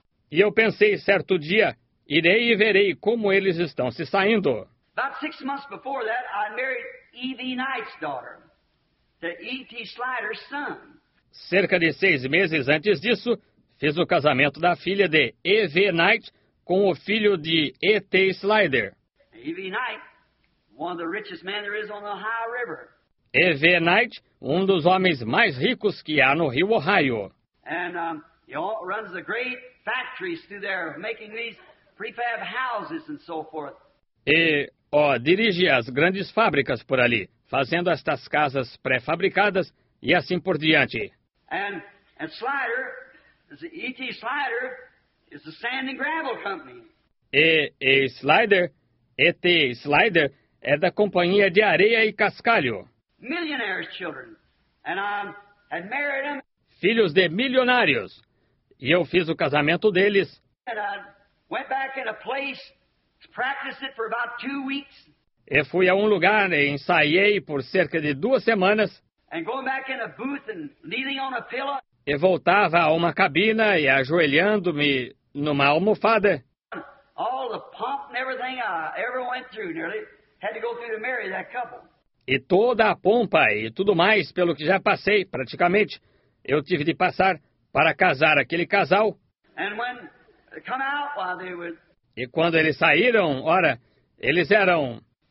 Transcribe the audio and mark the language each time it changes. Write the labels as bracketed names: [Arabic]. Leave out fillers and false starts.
[Portuguese] E eu pensei, certo dia, irei e verei como eles estão se saindo. [English] About 6 months before that, I married E.V. Knight's daughter. E.T. Slider's son. [Portuguese] Cerca de 6 meses antes disso, fiz o casamento da filha de E.V. Knight com o filho de E.T. Slider. [English] E.V. Knight, one of the richest men there is on the Ohio River. [Portuguese] E.V. Knight, um dos homens mais ricos que há no Rio Ohio. [English] And he runs the great factories through there making these prefab houses and so forth. [Portuguese] E, ó, dirige as grandes fábricas por ali, fazendo estas casas pré-fabricadas e assim por diante. [English] And Slider, E.T. Slider, is the sand and gravel company. [Portuguese] E. Slider, E.T. Slider, é da companhia de areia e cascalho. [English] Millionaires' children. And I had married them. [Portuguese] Filhos de milionários. E eu fiz o casamento deles. [English] And I went back in a place... Practiced it for about 2 weeks. [Portuguese] E fui a um lugar e ensaiei por cerca de 2 semanas. [English] And going back in a booth and kneeling on a pillow. [Portuguese] E voltava a uma cabina e ajoelhando-me numa almofada. [English] All the pomp and everything I ever went through nearly had to go through to marry that couple. [Portuguese] E toda a pompa e tudo mais pelo que já passei praticamente, eu tive de passar para casar aquele casal. [English] And when they come out while they were... [Portuguese] E quando eles saíram, ora, eles eram...